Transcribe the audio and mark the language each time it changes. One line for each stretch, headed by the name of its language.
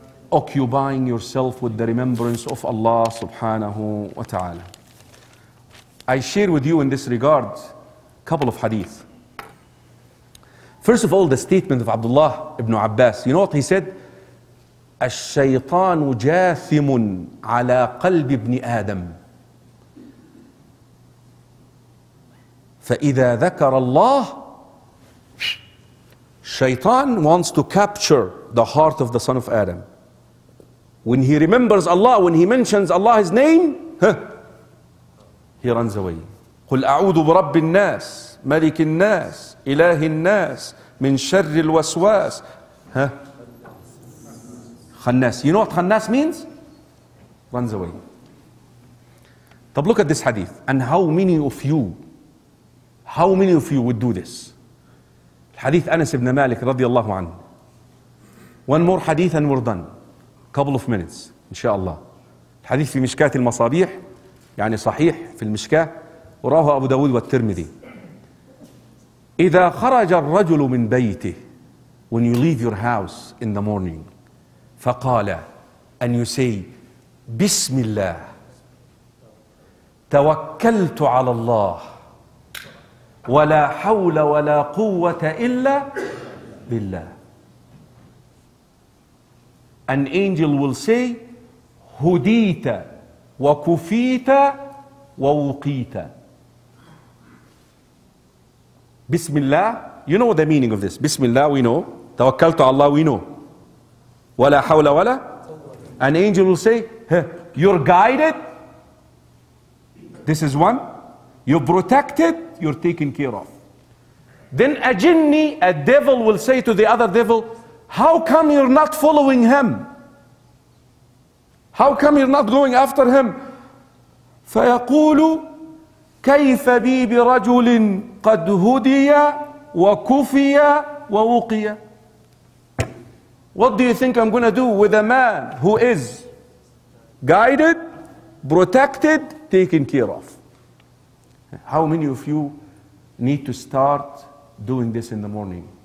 English: Occupying yourself with the remembrance of Allah subhanahu wa ta'ala. I share with you in this regard a couple of hadith. First of all, the statement of Abdullah ibn Abbas. You know what he said?
Arabic: الشيطان جاثم على قلب ابن آدم، فإذا ذكر الله
English: الشيطان wants to capture the heart of the son of Adam. When he remembers Allah, when he mentions Allah, his name, he runs away.
Arabic: قل أعوذ برب الناس ملك الناس إله الناس من شر الوسواس.
English: خناس. You know what خناس means? Runs away. طب look at this hadith. And how many of you, how many of you would do this?
Arabic: الحديث أنس بن مالك رضي الله عنه.
English: One more hadith and we're done. Couple of minutes.
Arabic: إن شاء الله. الحديث في مشكاة المصابيح. يعني صحيح في المشكاة. وراه أبو داود والترمذي. إذا خرج الرجل من بيته.
English: When you leave your house in the morning.
Arabic: فقال
English: and you say
Arabic: بسم الله توكلت على الله ولا حول ولا قوة إلا بالله.
English: An angel will say
Arabic: هديت وكفيت ووقيت. بسم الله.
English: You know the meaning of this.
Arabic: بسم الله we know. توكلت على الله we know. ولا حول ولا.
English: An angel will say you're guided, this is one, you're protected, you're taken care of. Then a jinni, a devil, will say to the other devil, how come you're not following him, how come you're not going after him.
Arabic: فيقول كيف بي برجل قد هدي وكفي ووقي.
English: What do you think I'm going to do with a man who is guided, protected, taken care of? How many of you need to start doing this in the morning?